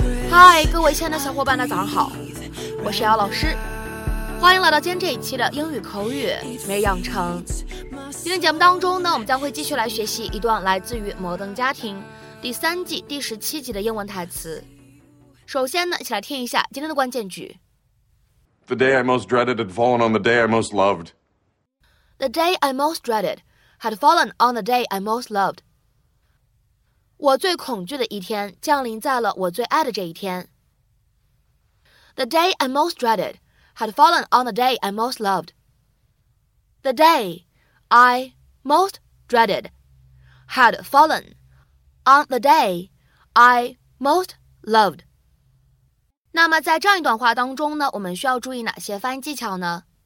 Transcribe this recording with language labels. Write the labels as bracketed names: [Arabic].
[Chinese] 嗨，各位亲爱的小伙伴的早上好，我是姚老师，欢迎来到今天这一期的英语口语每日养成。今天节目当中呢，我们将会继续来学习一段来自于摩登家庭第三季第十七集的英文台词。首先呢，一起来听一下今天的关键句。 [English] The day I most dreaded had fallen on the day I most loved. The day I most dreaded had fallen on the day I most loved. [Chinese] 我最恐惧的一天降临在了我最爱的这一天。 [English] The day I most dreaded had fallen on the day I most loved. The day I most dreaded had fallen on the day I most loved. [Chinese] 那么在这样一段话当中呢，我们需要注意哪些发音技巧呢？